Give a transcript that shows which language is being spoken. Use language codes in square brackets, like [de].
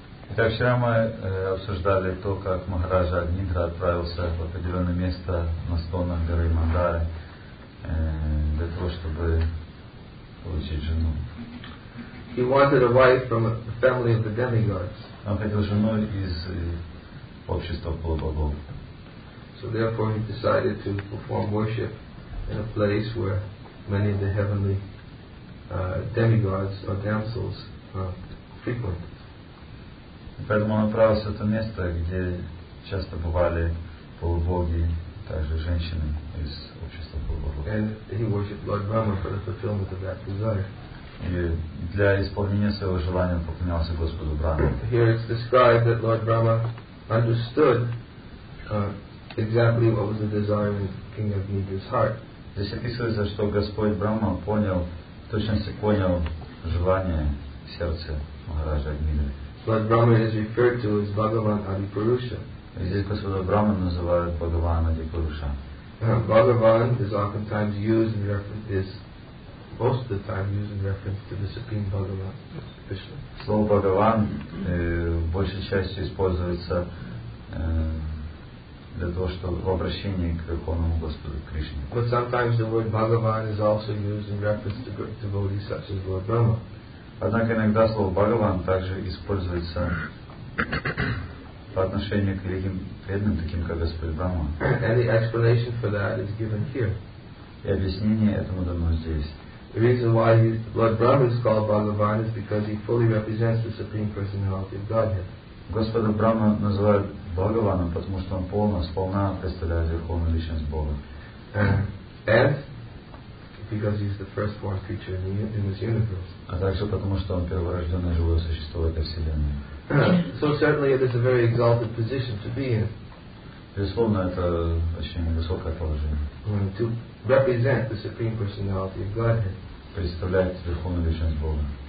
[ru] Итак, вчера мы обсуждали то, как Махараджа Агнидра отправился в определенное место на склонах горы Мандары для того, чтобы получить жену. [en] He wanted a wife from a family of the demigods. [ru] Он хотел жену из общества полубогов. [en] So therefore he decided to perform worship in a place where many of the heavenly demigods or damsels frequent. [ru] Поэтому он отправился в то место, где часто бывали полубоги также женщины из общества Бхагавадгиты. [en] And he worshipped Lord Brahma for the fulfillment of that desire. [ru] И для исполнения своего желания он поклонялся Господу Брахме. [en] Here it's described that Lord Brahma understood exactly what was the desire of King of Nidra's heart. [ru] Здесь описывается, что Господь Брахма понял, точности понял желание сердца Махараджа Нидры. [en] Lord Brahma is referred to as Bhagavan Adipurusha. [ru] Здесь Господа Брахма называют Бхагаван Адипуруша. [en] Bhagavan is oftentimes used in reference to this. Most of the time used in reference to the Supreme Bhagavan, Krishna. [ru] Слово Бхагаван большей частью используется для того, чтобы в обращении к Верховному Господу Кришне. [en] But sometimes the word Bhagavan is also used in reference to devotees such as Lord Brahma. [ru] Однако иногда слово Бхагаван также используется по отношению к великим преданным, таким как Господь Брахма. [en] And the explanation for that is given here. [ru] И объяснение этому дано здесь. [en] The reason why Lord Brahma is called Bhagavan is because he fully represents the Supreme Personality of Godhead. [ru] Господа Брахма называют Бхагаваном, потому что он сполна представляет Верховную Личность Бога. [en] And because he's the firstborn creature in this universe. [ru] А также потому что он перворожденное живое существо в этой вселенной. [en] So certainly it is a very exalted position to be in. [ru] Безусловно, это очень высокое положение. [en] To represent the Supreme Personality of Godhead. [ru] Представляет Верховную Личность Бога.